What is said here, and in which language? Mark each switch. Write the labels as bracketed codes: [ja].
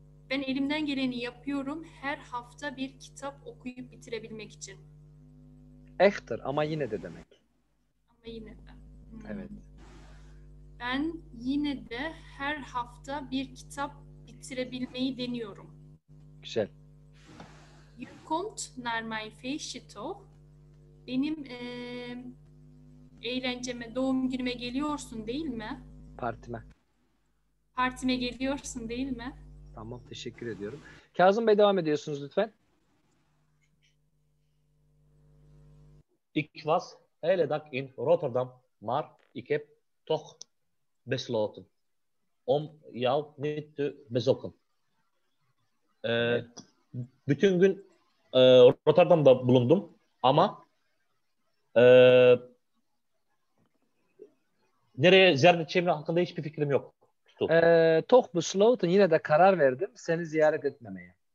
[tr] Ben elimden geleni yapıyorum her hafta bir kitap okuyup bitirebilmek için. Echter ama yine de demek. Ama yine de. Evet. Ben yine de her hafta bir kitap bitirebilmeyi deniyorum. Güzel. [nl] Je komt naar mijn feestje toch? [tr] Benim eğlenceme, doğum günüme geliyorsun değil mi? Partime. Partime geliyorsun değil mi? Tamam, teşekkür ediyorum. Kazım Bey devam ediyorsunuz lütfen. [nl] Ik was hele dag in Rotterdam, maar ik heb toch besloten om jou niet te bezoeken. [tr] Bütün gün Rotterdam'da bulundum ama nereye ziyaret edeceğimle hakkında hiçbir fikrim yok. [nl] Toch besloten, [tr] yine de karar verdim seni ziyaret etmemeye.